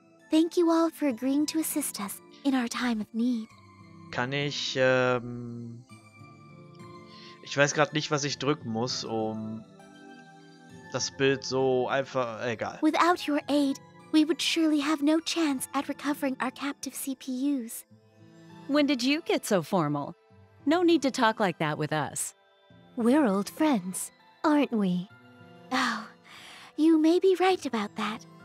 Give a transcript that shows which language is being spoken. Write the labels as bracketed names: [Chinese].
[English] Thank you all for agreeing to assist us in our time of need. [German] Kann ich, ich weiß gerade nicht, was ich drücken muss, um das Bild so einfach, egal. [English] Without your aid, we would surely have no chance at recovering our captive CPUs. When did you get so formal? No need to talk like that with us. We're old friends, aren't we? Oh, you may be right about that.